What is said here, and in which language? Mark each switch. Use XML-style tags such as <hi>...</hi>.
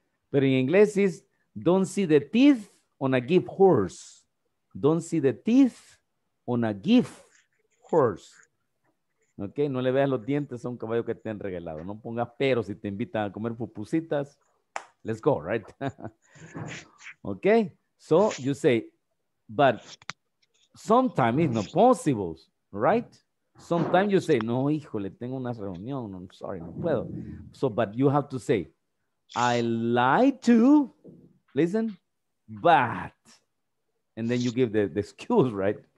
<en>But in English is, don't see the teeth on a gift horse. Don't see the teeth on a gift horse.</en> <es>Okay, no le veas los dientes a un caballo que te han regalado. No pongas pero si te invitan a comer pupusitas.</es> <en>Let's go, right? Okay, so you say, but sometimes it's not possible. Right? Sometimes you say,</en> <es>no, híjole, tengo una reunión.</es> <en>I'm sorry,</en> <es>no puedo.</es> <en>So, but you have to say, I like to, listen, but, and then you give the excuse, right?</en>